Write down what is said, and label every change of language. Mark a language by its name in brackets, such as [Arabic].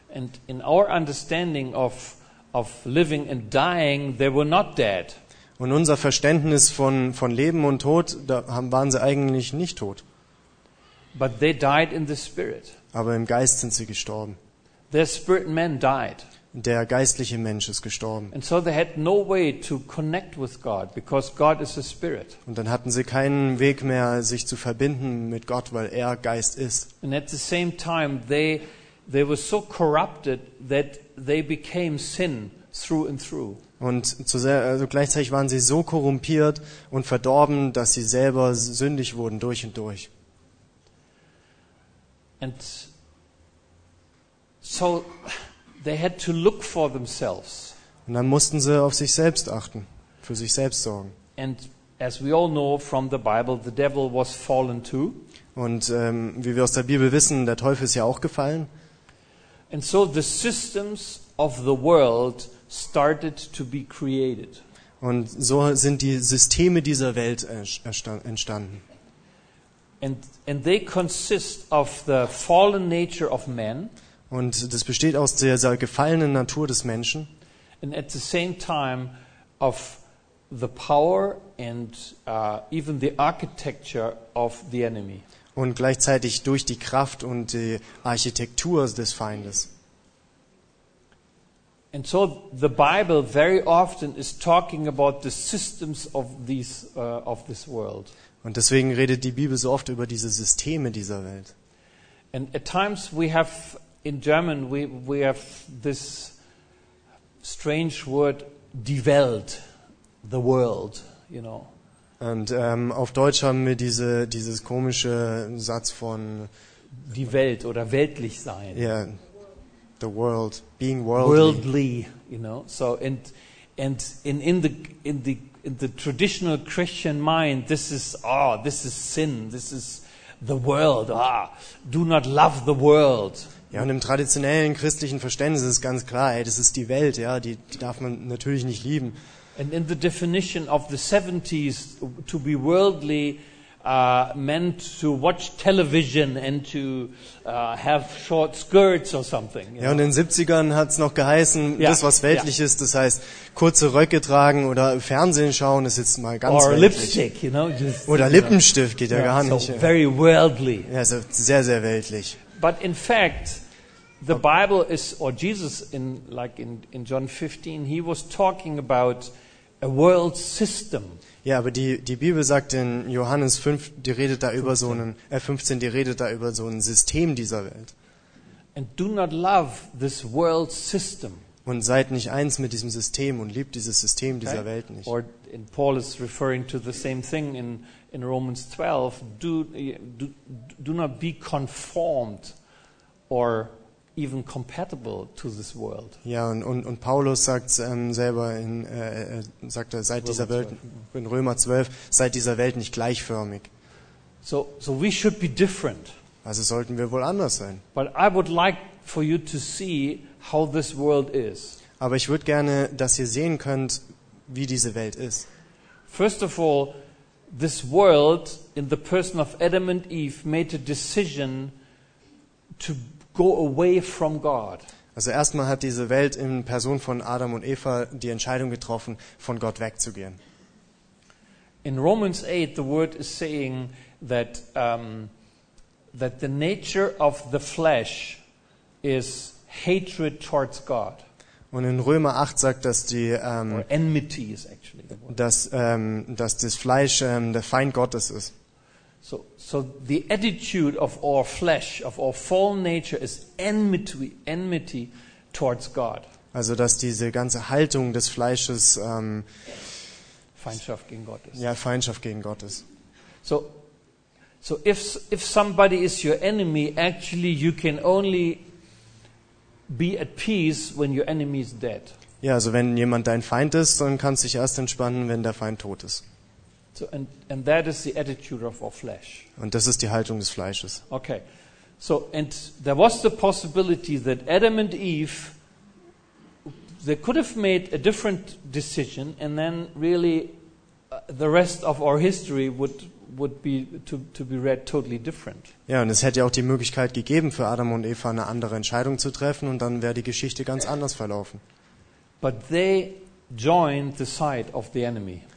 [English] And in our understanding of living and dying, they were not dead. [German] Und unser Verständnis von Leben und Tod, da waren sie eigentlich nicht tot. [English] But they died in the spirit. [German] Aber im Geist sind sie gestorben. [English] Their spirit man died. [German] Der geistliche Mensch ist gestorben. [English] And so they had no way to connect with God because God is a spirit. [German] Und dann hatten sie keinen Weg mehr, sich zu verbinden mit Gott, weil er Geist ist. [English] And at the same time they were so corrupted that they became sin through and through. [German] Und gleichzeitig waren sie so korrumpiert und verdorben, dass sie selber sündig wurden durch und durch. [English] And so they had to look for themselves. [German] Und dann mussten sie auf sich selbst achten, für sich selbst sorgen. [English] And as we all know from the Bible, the devil was fallen too. [German] Und wie wir aus der Bibel wissen, der Teufel ist ja auch gefallen. [English] And so the systems of the world started to be created. [German] Und so sind die Systeme dieser Welt entstanden. [English] And they consist of the fallen nature of man. [German] Und das besteht aus der gefallenen Natur des Menschen. [English] And at the same time of the power and even the architecture of the enemy. [German] Und gleichzeitig durch die Kraft und die Architektur des Feindes. [English] And so the Bible very often is talking about the systems of these of this world. [German] Und deswegen redet die Bibel so oft über diese Systeme dieser Welt. [English] And at times we have in German we have this strange word [German] die Welt, [English] the world, you know. [German] Und auf Deutsch haben wir dieses komische Satz von die Welt oder weltlich sein. [English] Ja. Yeah. The world, being worldly. Worldly, you know. So in the traditional Christian mind, this is sin, this is the world, do not love the world. [German] Ja, und im traditionellen christlichen Verständnis ist ganz klar, ey, das ist die Welt, ja, die darf man natürlich nicht lieben. [English] And in the definition of the 70s, to be worldly meant to watch television and to have short skirts or something. [German] Ja, und in den 70ern hat es noch geheißen, yeah, das was weltlich yeah ist, das heißt kurze Röcke tragen oder Fernsehen schauen, ist jetzt mal ganz [English] or [German] weltlich. [English] Lipstick, you know, just, [German] oder [English] you [German] Lippenstift know geht ja yeah gar nicht. [English] So very worldly. [German] Ja, so sehr, sehr weltlich. [English] But in fact, the Bible is, or Jesus in John 15, he was talking about a world system. [German] Ja, aber die Bibel sagt in Johannes 5, die redet da über so einen 15, die redet da über so ein System dieser Welt. [English] And do not love this world system. [German] Und seid nicht eins mit diesem System und liebt dieses System dieser Welt nicht. [English] Or in Paul is referring to the same thing in Romans 12, do not be conformed or even compatible to this world. [German] Ja, und Paulus sagt selber in sagt er, seid dieser Welt, in Römer 12, seid dieser Welt nicht gleichförmig. [English] So we should be different. [German] Also sollten wir wohl anders sein. [English] But I would like for you to see how this world is. [German] Aber ich würde gerne, dass ihr sehen könnt, wie diese Welt ist. [English] First of all, this world in the person of Adam and Eve made a decision to go away from God. [German] Also erstmal hat diese Welt in Person von Adam und Eva die Entscheidung getroffen, von Gott wegzugehen. [English] In Romans 8 the word is saying that that the nature of the flesh is hatred towards God. [German] Und in Römer 8 sagt, dass die [English] enmity is actually the [German] word. Dass das Fleisch der Feind Gottes ist. [English] So the attitude of our flesh, of our fallen nature, is enmity towards God. [German] Also dass diese ganze Haltung des Fleisches Feindschaft gegen Gott ist. Ja, Feindschaft gegen Gott ist. [English] So if somebody is your enemy, actually you can only be at peace when your enemy is dead. [German] Ja, also wenn jemand dein Feind ist, dann kannst du dich erst entspannen, wenn der Feind tot ist. [English] So and that is the attitude of our flesh. [German] Und das ist die Haltung des Fleisches. [English] Okay. So and there was the possibility that Adam and Eve they could have made a different decision and then really the rest of our history would be to be read totally different. [German] Ja, und es hätte auch die Möglichkeit gegeben für Adam und Eva eine andere Entscheidung zu treffen und dann wäre die Geschichte ganz anders verlaufen. [English] But they joined the side of the enemy.